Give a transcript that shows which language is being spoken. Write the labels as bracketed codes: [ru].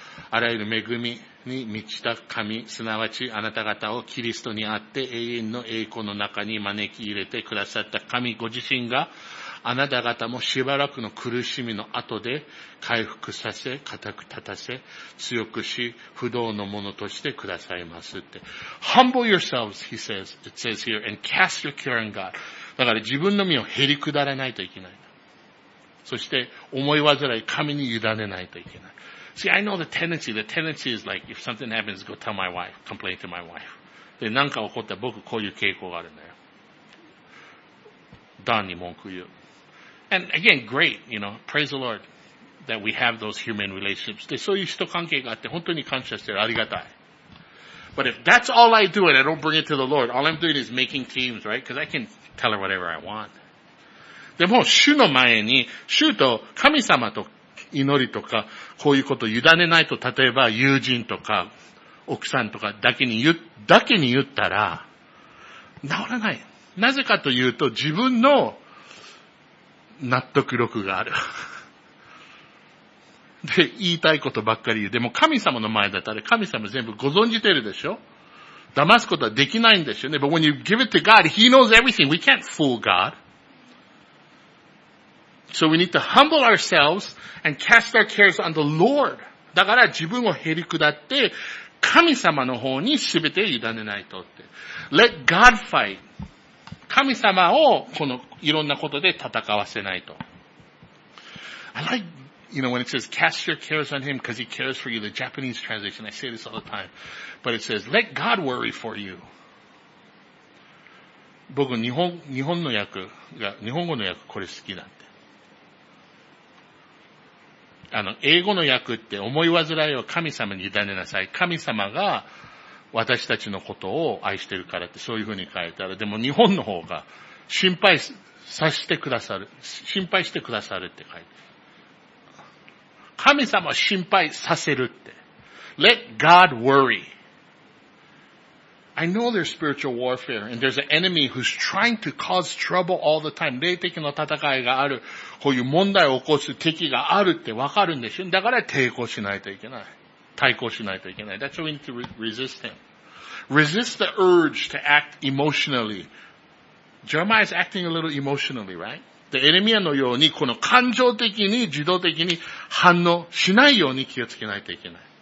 [ja] あらゆる恵みに満ちた神、すなわちあなた方をキリストにあって永遠の栄光の中に招き入れてくださった神ご自身があなた方もしばらくの苦しみの後で回復させ、固く立たせ、強くし、不動のものとしてくださいますって。 [en] Humble yourselves, he says, it says here, and cast your care on God. [ja] だから自分の身をへりくだらないといけない。そして思い煩い、神に委ねないといけない。 [en] See, I know the tendency. The tendency is like, if something happens, go tell my wife, complain to my wife. [ja] で、何か起こったら僕こういう傾向があるんだよ。ダンに文句言う。 [en] And again, great, you know, praise the Lord that we have those human relationships. [ja] で、そういう人関係があって本当に感謝してる。ありがたい。 [en] But if that's all I do and I don't bring it to the Lord, all I'm doing is making teams, right? Because I can tell her whatever I want. [ja] でも主の前に主と神様と祈りとかこういうことを委ねないと、例えば友人とか奥さんとかだけに言ったら治らない。なぜかというと自分の納得力がある。で、言いたいことばっかり言う。でも神様の前だったら神様全部ご存じてるでしょ。騙すことはできないんですよね。 [en] But when you give it to God, He knows everything. We can't fool God. So we need to humble ourselves and cast our cares on the Lord. [ja] だから自分をへり下って神様の方に全て委ねないとって。 [en] Let God fight. [ja] 神様をこのいろんなことで戦わせないと。 [en] I like, you know, when it says cast your cares on Him because He cares for you, the Japanese translation, I say this all the time, but it says, let God worry for you. [ja] 僕、日本の訳が、日本語の訳これ好きだって。あの、英語の訳って思い煩いを神様に委ねなさい。神様が私たちのことを愛してるからってそういう風に書いてある。でも日本の方が心配させてくださる。心配してくださるって書いてある。神様は心配させるって。 [en] Let God worry. I know there's spiritual warfare and there's an enemy who's trying to cause trouble all the time. [ja] 霊的な戦いがある。こういう問題を起こす敵があるってわかるんでしょ。だから抵抗しないといけない。対抗しないといけない。 [en] That's why we need to resist him. Resist the urge to act emotionally. Jeremiah is acting a little emotionally, right? [ja] で、エレミアのようにこの感情的に自動的に反応しないように気をつけないといけない。